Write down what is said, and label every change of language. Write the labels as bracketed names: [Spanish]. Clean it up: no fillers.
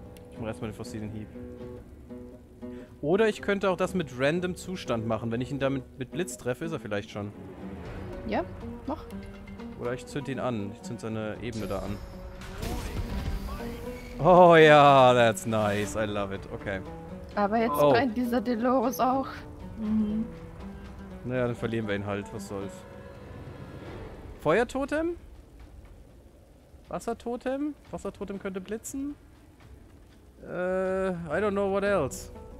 [German] Ich mach erstmal den fossilen Hieb. Oder ich könnte auch das mit random Zustand machen. Wenn ich ihn damit mit Blitz treffe, ist er vielleicht schon. Ja, mach. Oder ich zünd ihn an. Ich zünd seine Ebene da an. [English] Oh ja, yeah, that's nice. I love it. Okay. [German] Aber jetzt brennt dieser Delores auch. Mhm. Naja, dann verlieren wir ihn halt. Was soll's. Feuertotem? Wassertotem? Wassertotem könnte blitzen? [English] I don't know what else.